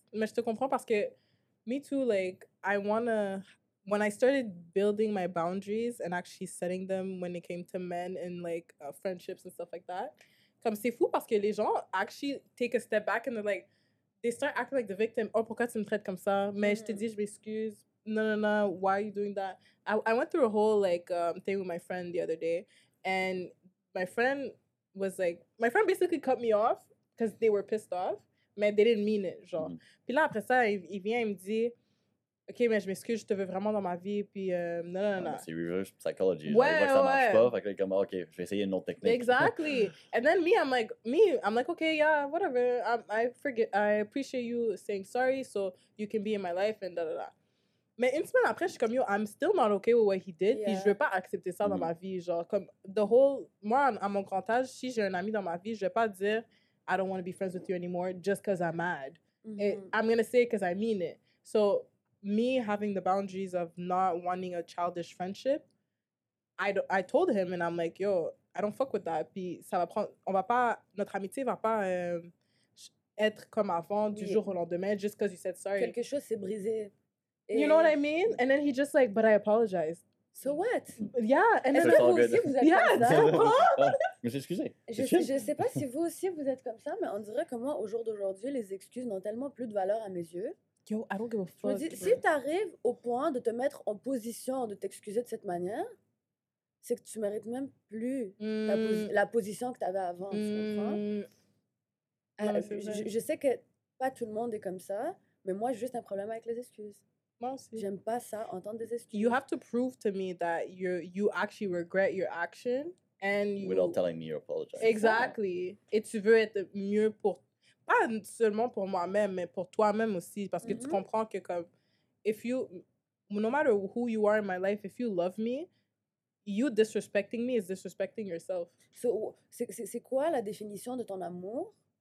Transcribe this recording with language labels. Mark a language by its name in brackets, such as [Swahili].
[French] Mais je te comprends parce que, [English] me too, like, I wanna, when I started building my boundaries and actually setting them when it came to men and, like, friendships and stuff like that, [French] comme c'est fou parce que les gens [English] actually take a step back and they're like, they start acting like the victim. [French] Oh, pourquoi tu me traites comme ça? Mais je te dis, je m'excuse. [English] No, why are you doing that? I went through a whole, like, thing with my friend the other day and my friend was like, my friend basically cut me off because they were pissed off, but they didn't mean it, genre. Mm-hmm. [French] Puis là, après ça, il vient, il me dit, OK, mais je m'excuse, je te veux vraiment dans ma vie, puis non. C'est reverse psychology. Ouais, genre, il voit que ça marche pas, fait que comme, OK, je vais essayer une autre technique. [English] Exactly. And then I'm like, OK, yeah, whatever. I appreciate you saying sorry so you can be in my life and da-da-da. [French] Mais une semaine après, je suis comme, yo, [English] I'm still not okay with what he did. [French] Puis je veux pas accepter ça dans ma vie. Genre, comme, [English] the whole... [French] Moi, à mon grand âge, si j'ai un ami dans ma vie, je vais pas dire, [English] I don't want to be friends with you anymore just because I'm mad. Mm-hmm. I'm going to say it because I mean it. So, me having the boundaries of not wanting a childish friendship I told him, and I'm like, yo, I don't fuck with that. [French] Puis ça va prendre, on va pas, notre amitié va pas être comme avant du jour au lendemain [English] just because you said sorry. [French] Quelque chose s'est brisé. [English] Et... You know what I mean? And then he just like, but I apologize. So what? Yeah. And then [French] vous aussi, vous êtes comme ça? Yeah, mais excusez. Je sais pas si vous aussi, vous êtes comme ça, mais on dirait que moi, au jour d'aujourd'hui, les excuses n'ont tellement plus de valeur à mes yeux. [English] Yo, I don't give a fuck. [French] Je dis, si t'arrives au point de te mettre en position de t'excuser de cette manière, c'est que tu mérites même plus la position que t'avais avant, tu comprends? Non, je sais que pas tout le monde est comme ça, mais moi, j'ai juste un problème avec les excuses. Moi aussi. J'aime pas ça, entendre des excuses. [English] You have to prove to me that you actually regret your action and you... Without telling me you apologize. [French] Exactly. Yeah. Et tu veux être mieux pour... Pas seulement pour moi-même, mais pour toi-même aussi. Parce que tu comprends que comme... [English] If you... No matter who you are in my life, if you love me, you disrespecting me is disrespecting yourself. [French] So, c'est quoi la définition de ton amour?